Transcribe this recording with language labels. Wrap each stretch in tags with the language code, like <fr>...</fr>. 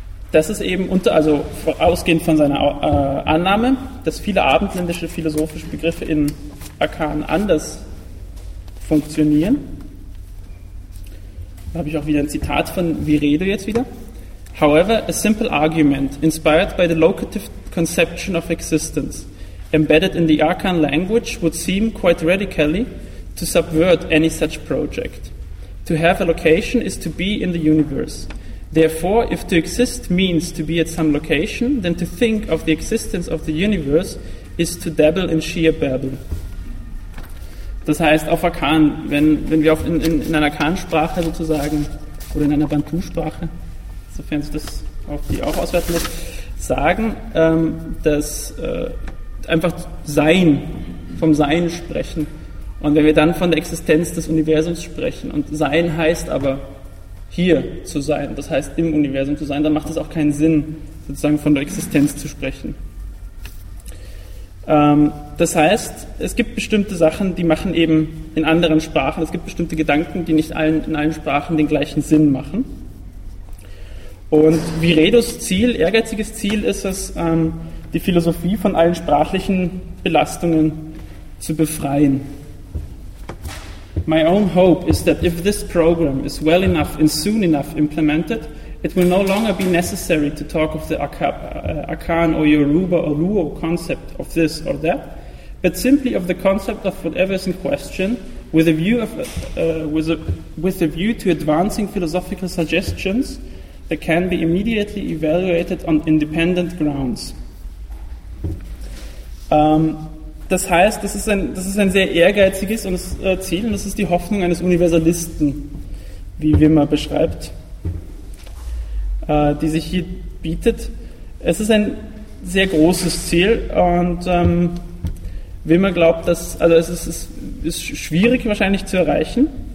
<de>Das ist eben ausgehend von seiner Annahme, dass viele abendländische philosophische Begriffe in Arkanen anders funktionieren. Da habe ich auch wieder ein Zitat von Viredo jetzt wieder.</de> <en>However, a simple argument inspired by the locative conception of existence embedded in the Arkan language would seem quite radically to subvert any such project. To have a location is to be in the universe. Therefore, if to exist means to be at some location, then to think of the existence of the universe is to dabble in sheer babble.</en> <de>Das heißt, auf Arkan, wenn wir in einer Arkan-Sprache sozusagen oder in einer Bantu-Sprache, sofern sich das auf die auch auswerten lässt, sagen, dass einfach Sein, vom Sein sprechen. Und wenn wir dann von der Existenz des Universums sprechen, und Sein heißt aber hier zu sein, das heißt im Universum zu sein, dann macht es auch keinen Sinn, sozusagen von der Existenz zu sprechen. Das heißt, es gibt bestimmte Sachen, die machen eben in anderen Sprachen, es gibt bestimmte Gedanken, die nicht in allen Sprachen den gleichen Sinn machen. Und Viredos Ziel, ehrgeiziges Ziel ist es, die Philosophie von allen sprachlichen Belastungen zu befreien.</de> <en>My own hope is that if this program is well enough and soon enough implemented, it will no longer be necessary to talk of the Akan or Yoruba or Luo concept of this or that, but simply of the concept of whatever is in question, with a view to advancing philosophical suggestions that can be immediately evaluated on independent grounds.</en> <de>Das heißt, das ist ein sehr ehrgeiziges Ziel und das ist die Hoffnung eines Universalisten, wie Wimmer beschreibt, die sich hier bietet. Es ist ein sehr großes Ziel und Wimmer glaubt, dass, also es ist schwierig wahrscheinlich zu erreichen.</de>